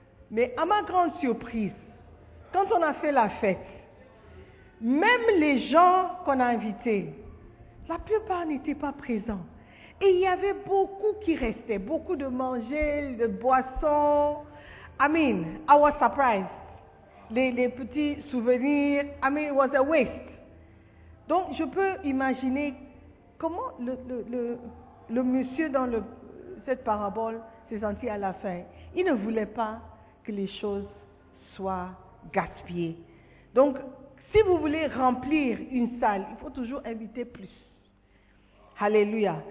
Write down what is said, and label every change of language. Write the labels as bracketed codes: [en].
[fr] Mais à ma grande surprise, quand on a fait la fête, même les gens qu'on a invités, la plupart n'étaient pas présents. Et il y avait beaucoup qui restaient, beaucoup de manger, de boissons. [en] I mean, I was surprised. [fr] Les petits souvenirs, [en] I mean, it was a waste. [fr] Donc, je peux imaginer comment le monsieur dans cette parabole s'est senti à la fin. Il ne voulait pas que les choses soient gaspillées. Donc, si vous voulez remplir une salle, il faut toujours inviter plus. Alléluia.